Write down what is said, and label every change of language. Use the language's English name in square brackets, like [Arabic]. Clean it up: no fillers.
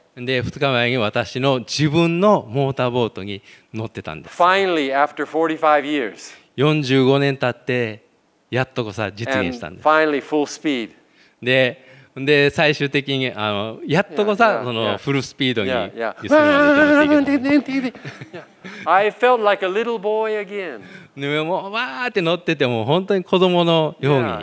[Japanese] で2日前に私の自分のモーターボートに乗ってたんです。 [English] Finally, after 45 years. [Japanese] 45年経ってやっとこさ実現したんです。 [English] And finally, full speed. [Japanese] で最終的にやっとこさ [English] yeah, [Japanese] そのフルスピードに [English] yeah, yeah. [Japanese] 揺すりられてるんですけど。 [English] I felt like a little boy again. [Japanese] でもうわーって乗ってても本当に子供のようにな